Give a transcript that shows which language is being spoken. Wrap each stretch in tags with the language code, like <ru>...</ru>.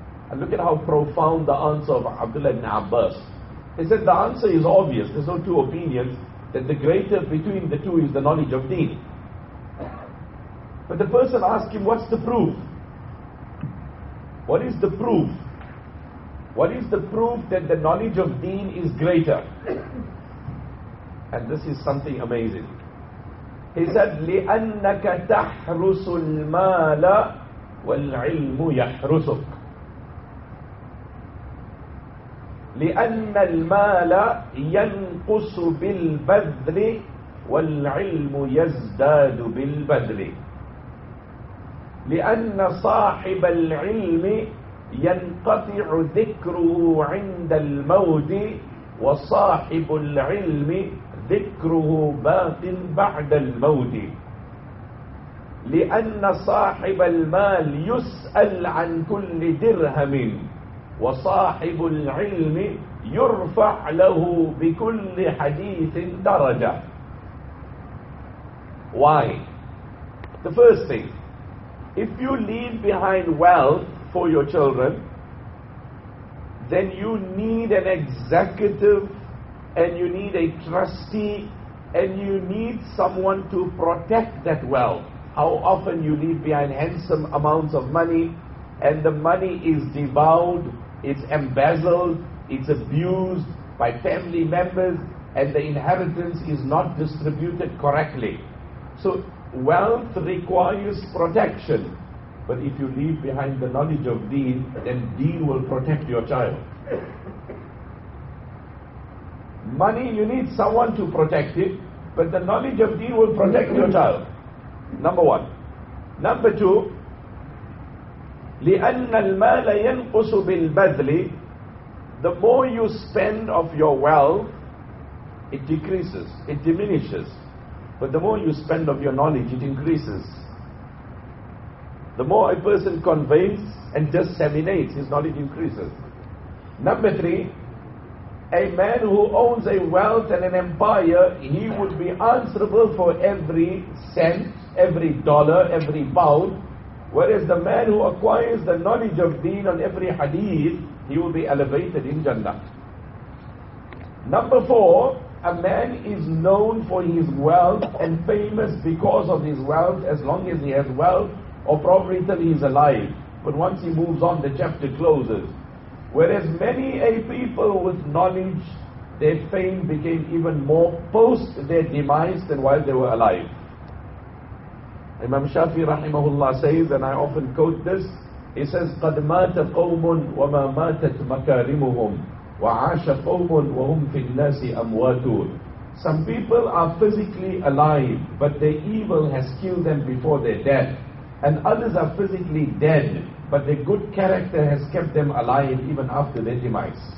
<en>And look at how profound the answer of Abdullah ibn Abbas. He said the answer is obvious, there's no two opinions, that the greater between the two is the knowledge of deen. But the person asked him, what's the proof? What is the proof? What is the proof that the knowledge of deen is greater? And this is something amazing. He said,</en> <ar>لِأَنَّكَ تَحْرُسُ الْمَالَ وَالْعِلْمُ يَحْرُسُكَ. لِأَنَّ الْمَالَ يَنْقُسُ بِالْبَذْلِ وَالْعِلْمُ يَزْدَادُ بِالْبَذْلِ. لِأَنَّ صَاحِبَ الْعِلْمِ يَنْقَطِعُ ذِكْرُهُ عِنْدَ الْمَوْتِ وَصَاحِبُ الْعِلْمِ ذكره باق بعد الموت، لأن صاحب المال يسأل عن كل درهم، وصاحب العلم يرفع له بكل حديث درجة.</ar> <en>Why? The first thing, if you leave behind wealth for your children, then you need an executive and you need a trustee and you need someone to protect that wealth. How often you leave behind handsome amounts of money and the money is devoured, it's embezzled, it's abused by family members and the inheritance is not distributed correctly. So wealth requires protection. But if you leave behind the knowledge of deen, then deen will protect your child. Money, you need someone to protect it, but the knowledge of deen will protect your child. Number one. Number two,</en> <ar>لِأَنَّ الْمَالَ يَنْقُسُ بِالْبَذْلِ.</ar> <en>The more you spend of your wealth, it decreases, it diminishes. But the more you spend of your knowledge, it increases. The more a person conveys and disseminates, his knowledge increases. Number three, a man who owns a wealth and an empire, he would be answerable for every cent, every dollar, every pound. Whereas the man who acquires the knowledge of deen on every hadith, he will be elevated in Jannah. Number four, a man is known for his wealth and famous because of his wealth as long as he has wealth, or probably till he is alive. But once he moves on, the chapter closes. Whereas many a people with knowledge, their fame became even more post their demise than while they were alive. Imam Shafi rahimahullah says, and I often quote this, he says,</en> <ar>قَدْ مَاتَ قَوْمٌ وَمَا مَاتَتْ مَكَارِمُهُمْ وَعَاشَ قَوْمٌ وَهُمْ فِي النَّاسِ أَمْوَاتُونَ.</ar> <en>Some people are physically alive, but their evil has killed them before their death. And others are physically dead, but their good character has kept them alive even after their demise.</en>